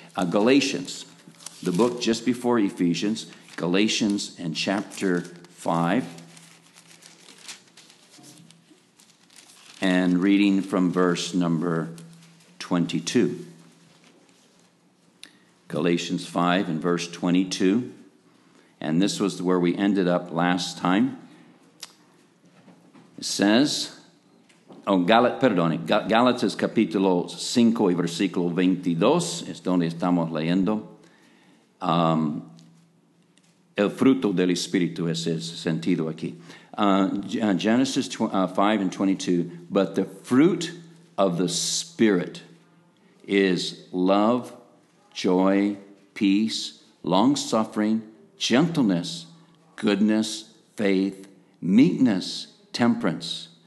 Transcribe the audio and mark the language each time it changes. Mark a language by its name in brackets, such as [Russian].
[English] Galatians, the book just before Ephesians, Galatians and chapter 5, and reading from verse number 22. Galatians 5 and verse 22. And this was where we ended up last time. It says, [Spanish] Galatas capítulo 5 y versículo 22, es donde estamos leyendo. El fruto del Espíritu es el sentido aquí. [English] Genesis 5 and 22, but the fruit of the Spirit is love, joy, peace, long-suffering, gentleness, goodness, faith, meekness, temperance.